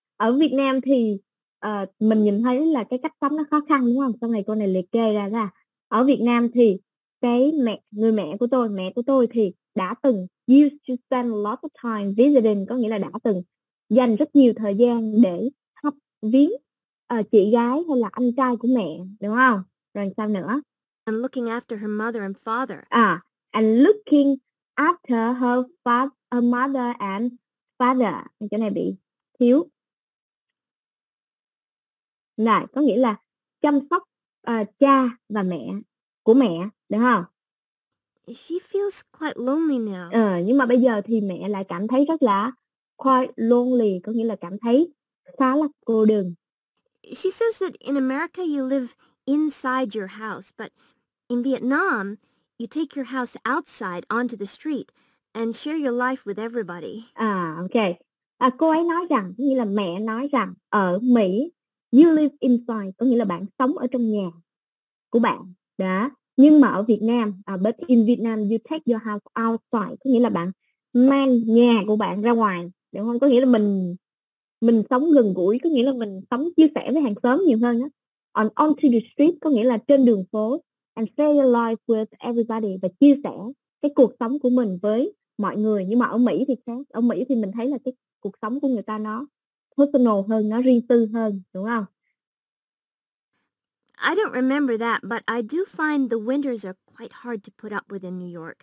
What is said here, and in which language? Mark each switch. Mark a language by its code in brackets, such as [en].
[vi] Ở Việt Nam thì mình nhìn thấy là cái cách sống nó khó khăn, đúng không? Sau này cô này liệt kê ra là ở Việt Nam thì cái mẹ của tôi thì đã từng [en] used to spend a lot of time visiting, [vi] có nghĩa là đã từng dành rất nhiều thời gian để thắp viếng chị gái hay là anh trai của mẹ, đúng không? Rồi sao nữa? [en] And looking after her mother and father. À, and looking after her mother and father. [vi] Chỗ này bị thiếu. Này, có nghĩa là chăm sóc cha và mẹ của mẹ, đúng không? [en] She feels quite lonely now. [vi] Nhưng mà bây giờ thì mẹ lại cảm thấy rất là [en] quite lonely, [vi] có nghĩa là cảm thấy khá là cô đơn. [en] She says that in America you live inside your house, but in Vietnam you take your house outside onto the street and share your life with everybody. [vi] À, ok. À, cô ấy nói rằng, có nghĩa là mẹ nói rằng ở Mỹ [en] you live inside, [vi] có nghĩa là bạn sống ở trong nhà của bạn. Đó. Nhưng mà ở Việt Nam, [en] but in Vietnam you take your house outside, [vi] có nghĩa là bạn mang nhà của bạn ra ngoài, đúng không? Có nghĩa là mình sống gần gũi, có nghĩa là mình sống chia sẻ với hàng xóm nhiều hơn á. [en] On onto the street [vi] có nghĩa là trên đường phố, [en] and share your life with everybody, [vi] và chia sẻ cái cuộc sống của mình với mọi người. Nhưng mà ở Mỹ thì khác. Ở Mỹ thì mình thấy là cái cuộc sống của người ta nó personal hơn, nó riêng tư hơn, đúng không? [en] I don't remember that, but I do find the winters are quite hard to put up with in New York.